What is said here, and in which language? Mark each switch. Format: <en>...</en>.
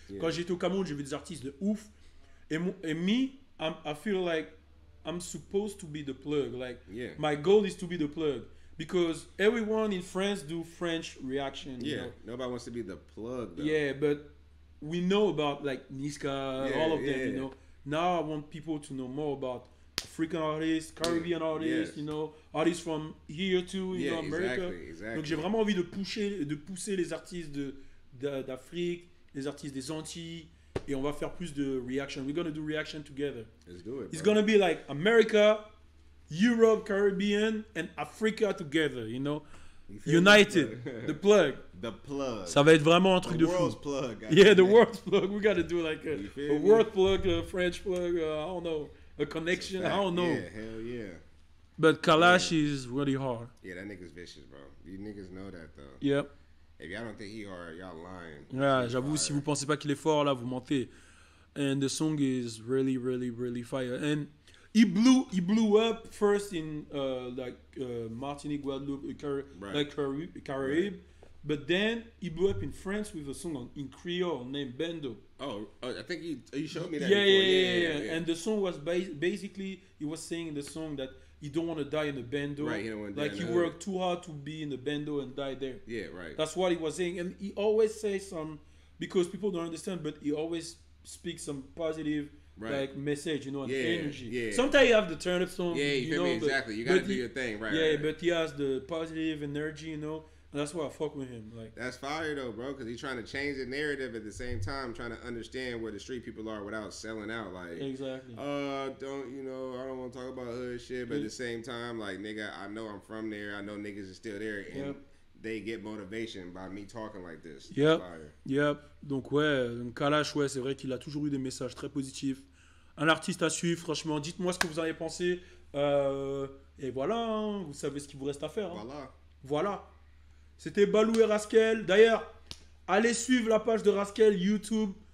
<fr>Yeah. Quand j'étais au Cameroun, j'ai vu des artistes de ouf. Et</fr> <en>me, I feel like I'm supposed to be the plug. Like, my goal is to be the plug. Because everyone in France do French reaction. Yeah, you know? Nobody wants to be the plug, though. Yeah, but we know about, like, Niska, all of them, you know. Now I want people to know more about African artists, Caribbean artists, you know, artists from here too, you know, America. Exactly, exactly.</en> <fr>Donc j'ai vraiment envie de pousser les artistes d'Afrique, les artistes des Antilles, et on va faire plus de reaction.</fr> <en>We're gonna do reaction together. Let's do it. It's bro. Gonna be like America, Europe, Caribbean, and Africa together, you know. United, the plug. The plug.</en> <fr>Ça va être vraiment un truc de fou.</fr> <en>The world's plug. Yeah, the world's plug. We gotta do like a world plug, a French plug, I don't know. A connection, I don't know. Yeah, hell yeah. But Kalash is really hard. Yeah, that nigga's vicious, bro. You niggas know that, though. Yep. If y'all don't think he hard, y'all lying.</en> <fr>Yeah, j'avoue, si vous pensez pas qu'il est fort, là, vous mentez.</fr> <en>And the song is really, really, really fire. And he blew up first in Martinique, Guadeloupe, Caribbean. But then he blew up in France with a song in Creole named Bendo. Oh, I think you showed me that. Yeah. And the song was basically, he was saying in the song that he don't want to die in a Bendo. Right, he don't want to die. Like, he worked too hard to be in the Bendo and die there. Yeah, right. That's what he was saying. And he always says some, because people don't understand, but he always speaks some positive, like, message, you know, and energy. Yeah. Sometimes you have the turn-up song. Yeah, you know, me, exactly. You got to do your thing, right. Yeah, right. But he has the positive energy, you know. That's why I fuck with him. Like, that's fire though, bro. Because he's trying to change the narrative at the same time, trying to understand where the street people are without selling out. Like, exactly. I don't want to talk about hood shit. But at the same time, like, nigga, I know I'm from there. I know niggas are still there, and they get motivation by me talking like this. Yep.</en> <fr>Donc ouais, Kalash, ouais, c'est vrai qu'il a toujours eu des messages très positifs. Un artiste à suivre, franchement. Dites-moi ce que vous en avez pensé. Et voilà, hein, vous savez ce qu'il vous reste à faire. Hein. Voilà. C'était Baloo et Rascal. D'ailleurs, allez suivre la page de Rascal YouTube.</fr>